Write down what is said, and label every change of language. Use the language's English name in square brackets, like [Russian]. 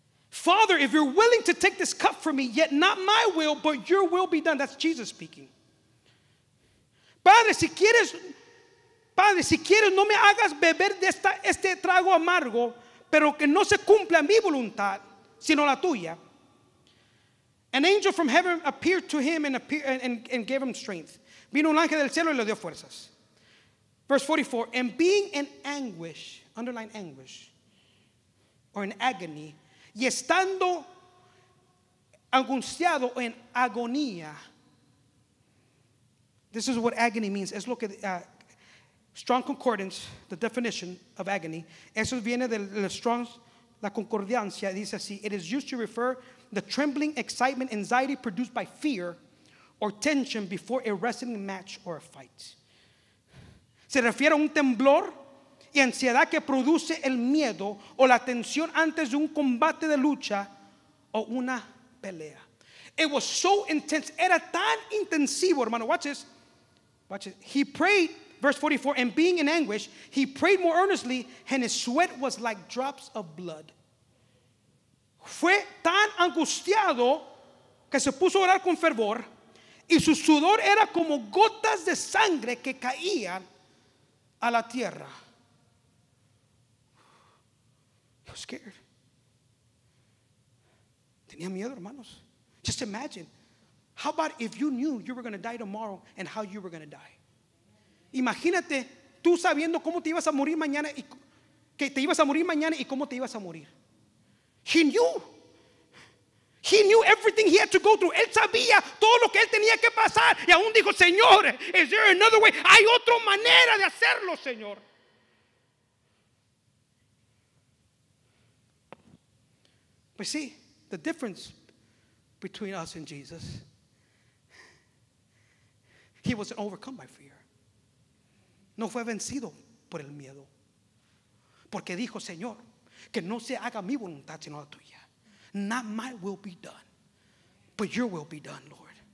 [English] Father, if you're willing to take this cup from me, yet not my will, but your will be done. That's Jesus speaking. [Spanish] Padre, si quieres, no me hagas beber de este trago amargo, pero que no se cumpla mi voluntad, sino la tuya. [English] An angel from heaven appeared to him and gave him strength. [Spanish] Vino un ángel del cielo y le dio fuerzas. [English] Verse 44, and being in anguish, underline anguish, or in agony, [Spanish] y estando angustiado en agonía. [English] This is what agony means. [Spanish] Es lo que, [English] strong concordance, the definition of agony. [Spanish] Eso viene de la concordancia. Dice así, [English] it is used to refer the trembling, excitement, anxiety produced by fear or tension before a wrestling match or a fight. [Spanish] Se refiere a un temblor y ansiedad que produce el miedo o la tensión antes de un combate de lucha o una pelea. [English] It was so intense. [Spanish] Era tan intensivo, hermano. [English] Watch this. Watch it. He prayed, verse 44, and being in anguish, he prayed more earnestly, and his sweat was like drops of blood. [Spanish] Fue tan angustiado que se puso a orar con fervor, y su sudor era como gotas de sangre que caían a la tierra. [English] He was scared. [Spanish] Tenía miedo, hermanos. [English] Just imagine. How about if you knew you were going to die tomorrow and how you were going to die? [Spanish] Imagínate tú sabiendo cómo te ibas a morir mañana y que te ibas a morir mañana y cómo te ibas a morir. [English] He knew. He knew everything he had to go through. [Spanish] Él sabía todo lo que él tenía que pasar. Y aún dijo, Señor, [English] is there another way? [Spanish] Hay otra manera de hacerlo, Señor. [English] But see, the difference between us and Jesus, he wasn't overcome by fear. [Spanish] No fue vencido por el miedo. Porque dijo, Señor, que no se haga mi voluntad sino la tuya. [English] Not my will be done, but your will be done, Lord.